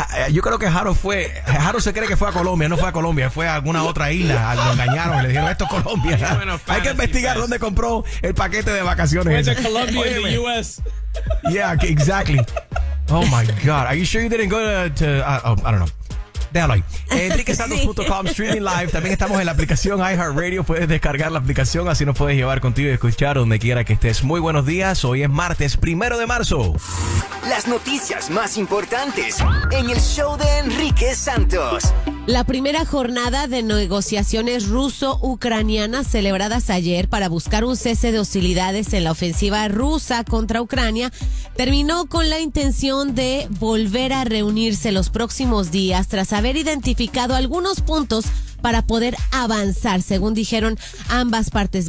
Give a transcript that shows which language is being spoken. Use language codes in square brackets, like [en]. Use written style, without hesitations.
[es] Yo creo que Jaro se cree que fue a Colombia. No fue a Colombia, fue a alguna otra isla. Lo engañaron, le dijeron, esto es Colombia. Hay que investigar dónde compró el paquete de vacaciones. Fue a Colombia en the US. [en] Yeah, exactly. Oh my God, are you sure you didn't go to I don't know. [es] Déjalo ahí. EnriqueSantos.com, streaming live. También estamos en la aplicación iHeartRadio. Puedes descargar la aplicación, así nos puedes llevar contigo y escuchar donde quiera que estés. Muy buenos días. Hoy es martes, primero de marzo. Las noticias más importantes en el show de Enrique Santos. La primera jornada de negociaciones ruso-ucranianas celebradas ayer para buscar un cese de hostilidades en la ofensiva rusa contra Ucrania terminó con la intención de volver a reunirse los próximos días tras haber identificado algunos puntos para poder avanzar, según dijeron ambas partes.